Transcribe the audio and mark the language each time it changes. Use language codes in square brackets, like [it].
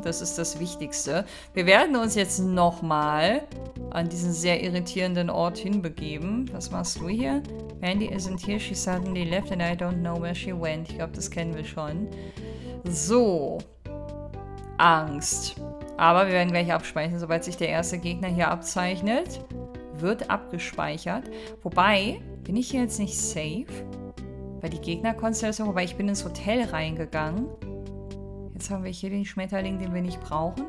[de] Das ist das Wichtigste. Wir werden uns jetzt nochmal an diesen sehr irritierenden Ort hinbegeben. Was machst du hier? [en] Mandy isn't here. She suddenly left and I don't know where she went. [de] Ich glaube, das kennen wir schon. So. Angst. Aber wir werden gleich abspeichern, sobald sich der erste Gegner hier abzeichnet. Wird abgespeichert. Wobei, bin ich hier jetzt nicht safe? Weil die Gegnerkonstellation, wobei ich bin ins Hotel reingegangen. Jetzt haben wir hier den Schmetterling, den wir nicht brauchen.